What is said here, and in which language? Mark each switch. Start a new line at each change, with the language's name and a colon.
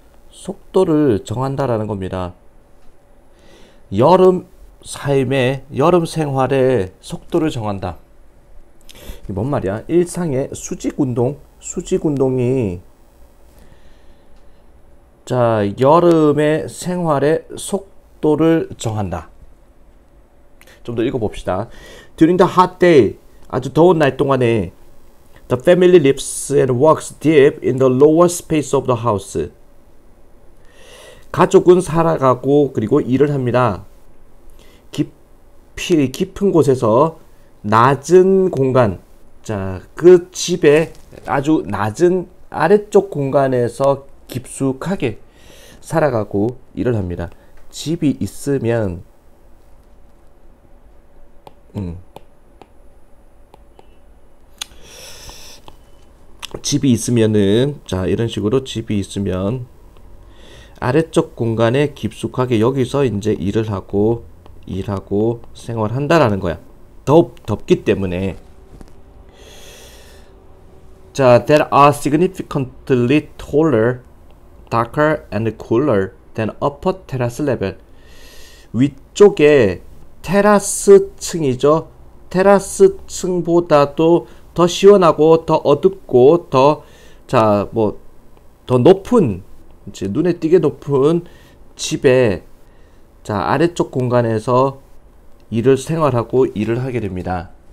Korean: 속도를 정한다라는 겁니다. 여름 삶의, 여름 생활의 속도를 정한다. 이게 뭔 말이야? 일상의 수직 운동이, 자, 여름의 생활의 속도를 정한다. 좀더 읽어봅시다.
English: During the hot day,
Korean: 아주 더운 날 동안에,
English: the family lives and works deep in the lower space of the house.
Korean: 가족은 살아가고, 그리고 일을 합니다. 깊은 곳에서 낮은 공간, 자, 그 집에 아주 낮은 아래쪽 공간에서 깊숙하게 살아가고 일을 합니다. 집이 있으면, 집이 있으면은, 자, 이런 식으로 집이 있으면, 아래쪽 공간에 깊숙하게 여기서 이제 일하고 생활한다라는 거야. 덥기 때문에.
English: 자, that are significantly taller, darker and cooler than upper terrace level.
Korean: 위쪽에 테라스 층이죠. 테라스 층보다도 더 시원하고 더 어둡고 더, 자, 뭐, 더 높은, 이제 눈에 띄게 높은 집에, 자, 아래쪽 공간에서 일을 생활하고 일을 하게 됩니다.